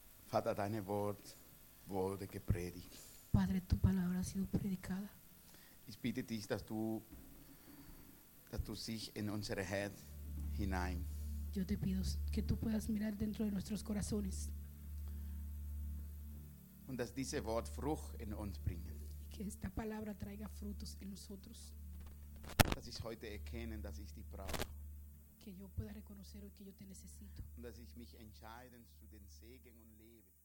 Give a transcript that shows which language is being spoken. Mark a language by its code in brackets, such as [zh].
[de] Vater, deine Wort wurde gepredigt. [es] Padre, tu palabra ha sido predicada. [de] Ich bitte dich, dass du sich in unsere Herz hinein. [es] Yo te pido que tú puedas mirar dentro de nuestros corazones. [de] Und dass diese Wort Frucht in uns bringen. [es] Y que esta palabra traiga frutos en nosotros. [de] Dass ich heute erkenne, dass ich dich brauche. [es] Que yo pueda reconocer hoy que yo te necesito. [de] Und dass ich mich entscheide zu den Segen und Leben.